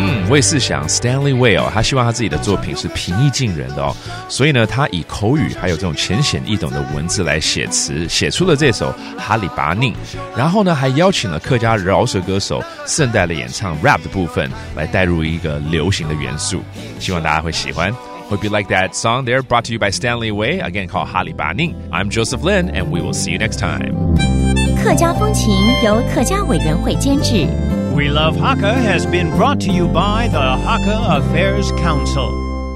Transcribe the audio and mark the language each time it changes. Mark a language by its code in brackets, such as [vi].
[zh] 魏士翔 Stanley Wei 哦，他希望他自己的作品是平易近人的哦，所以呢，他以口语还有这种浅显易懂的文字来写词，写出了这首《哈里巴宁》。然后呢，还邀请了客家饶舌歌手聖代的演唱 Rap 的部分，来带入一个流行的元素，希望大家会喜欢。 [en] Hope you like that song there, brought to you by Stanley Wei, again called 哈里巴宁. I'm Joseph Lin, and we will see you next time. [zh] 客家风情由客家委员会监制。 [en] We Love Hakka has been brought to you by the Hakka Affairs Council.